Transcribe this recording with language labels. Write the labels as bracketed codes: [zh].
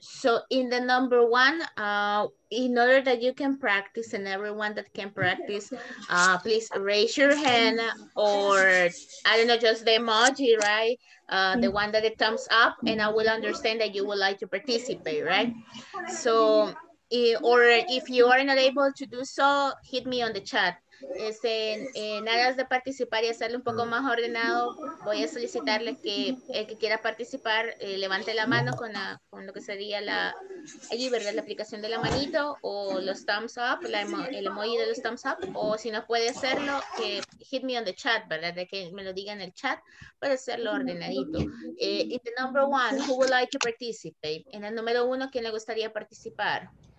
[en] So in the number one, in order that you can practice and everyone that can practice, please raise your hand or I don't know, just the emoji, right? The one that it thumbs up, and I will understand that you would like to participate, right? So, or if you are not able to do so, hit me on the chat. [es] En aras de participar y hacerlo un poco más ordenado, voy a solicitarle que el que quiera participar levante la mano con, con lo que sería la, allí, ¿verdad? La aplicación de la manito o los thumbs up, el emoji de los thumbs up, o si no puede hacerlo, que [en] hit me on the chat, [es] ¿verdad? De que me lo diga en el chat para hacerlo ordenadito. [en] In the number one, who would like to participate? [es] En el número uno, ¿quién le gustaría participar?